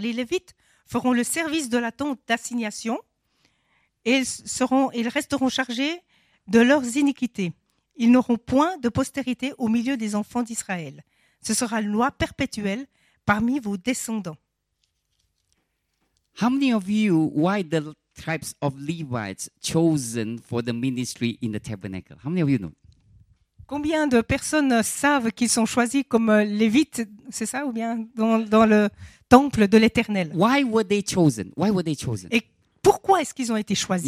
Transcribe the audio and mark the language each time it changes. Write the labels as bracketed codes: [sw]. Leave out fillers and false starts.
[fr] Les Lévites feront le service de la tente d'assignation et ils resteront chargés de leurs iniquités. Ils n'auront point de postérité au milieu des enfants d'Israël. Ce sera une loi perpétuelle parmi vos descendants. [en] How many of you, why the tribes of Levites chosen for the ministry in the tabernacle? How many of you know? [fr] Combien de personnes savent qu'ils sont choisis comme Lévites, c'est ça, ou bien dans le temple de l'Éternel? [en] Why were they chosen? Why were they chosen? [fr] Et pourquoi est-ce qu'ils ont été choisis?